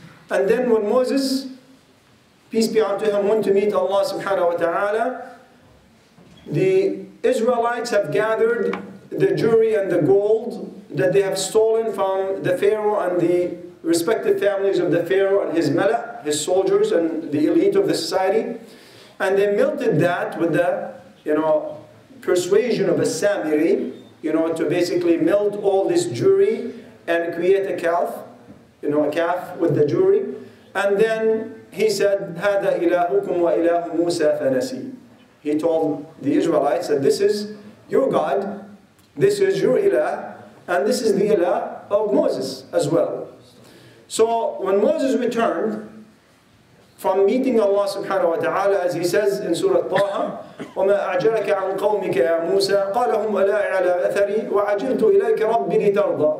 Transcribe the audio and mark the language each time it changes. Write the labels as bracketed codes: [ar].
[en] And then when Moses, peace be unto him, went to meet Allah subhanahu wa ta'ala, the Israelites have gathered the jewelry and the gold that they have stolen from the Pharaoh and the respective families of the Pharaoh and his mala', his soldiers and the elite of the society. And they melted that with the, persuasion of a Samiri, to basically melt all this jewelry and create a calf, a calf with the jewelry. And then he said, [ar] هَذَا إِلَهُكُمْ وَإِلَهُ مُوسَى فَنَسِي. [en] He told the Israelites that this is your God, this is your ilah, and this is the ilah of Moses as well. So when Moses returned from meeting Allah subhanahu wa ta'ala, as he says in Surah Taha, [ar] وَمَا أَعْجَلَكَ عَنْ قَوْمِكَ يَا مُوسَى قَالَهُمْ أَلَا عَلَى أَثَرِي وَعَجِلْتُ إِلَيْكَ رَبِّ لِتَرْضَى.